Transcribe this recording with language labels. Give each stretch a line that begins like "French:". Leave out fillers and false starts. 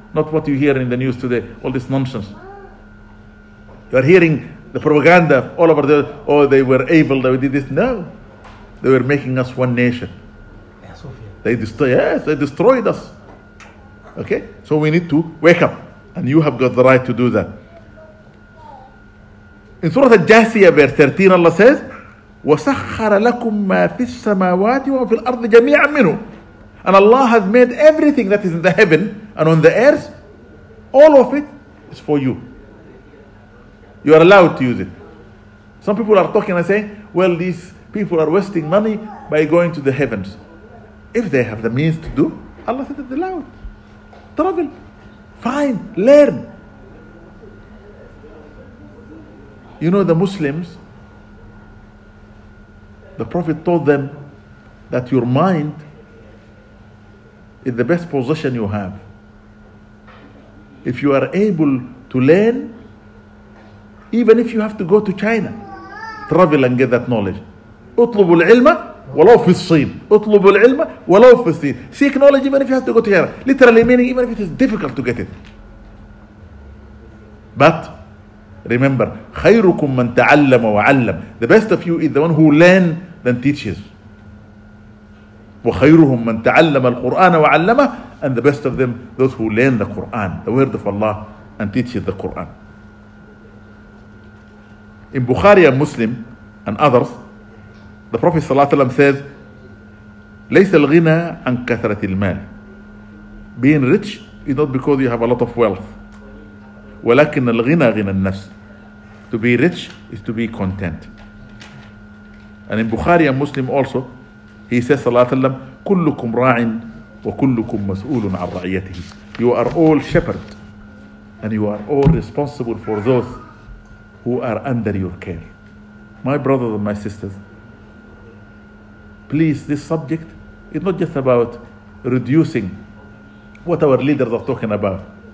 English: Not what you hear in the news today, all this nonsense. You are hearing the propaganda all over the, oh, they were able, they did this. No, they were making us one nation. They destroyed us. Okay, so we need to wake up. And you have got the right to do that. In Surah Al-Jasiyah, verse 13, Allah says,
Arabic: وَسَخَّرَ لَكُمْ مَا فِي السَّمَاوَاتِ وَفِي الْأَرْضِ جَمِيعًا مِنُ.
English: And Allah has made everything that is in the heaven and on the earth, all of it is for you. You are allowed to use it. Some people are talking and saying, well, these people are wasting money by going to the heavens. If they have the means to do, Allah said it's allowed. Travel. Fine, learn. You know, the Muslims, the Prophet told them that your mind is the best position you have. If you are able to learn, even if you have to go to China, travel and get that knowledge.
Arabic: اطلبوا العلم ولو في الصين. اطلبوا العلم ولو في الصين.
English: Seek knowledge even if you have to go to China. Literally meaning even if it is difficult to get it. But remember,
Arabic: خيركم من تعلم وعلم.
English: The best of you is the one who learns than teaches.
Arabic: وخيرهم من تعلم القرآن وعلمه.
English: And the best of them, those who learn the Quran, the word of Allah, and teaches the Quran. In Bukhari and Muslim and others, the Prophet says,
Arabic: ليس الغنى عن كثرة المال.
English: Being rich is not because you have a lot of wealth.
Arabic: ولكن الغنى غنى النفس.
English: To be rich is to be content. And in Bukhari and Muslim also, he says,
Arabic: صلى الله عليه وسلم, كلكم راع وكلكم مسؤول عن رعيته.
English: You are all shepherd and you are all responsible for those who are under your care. My brothers and my sisters, please, this subject is not just about reducing what our leaders are talking about.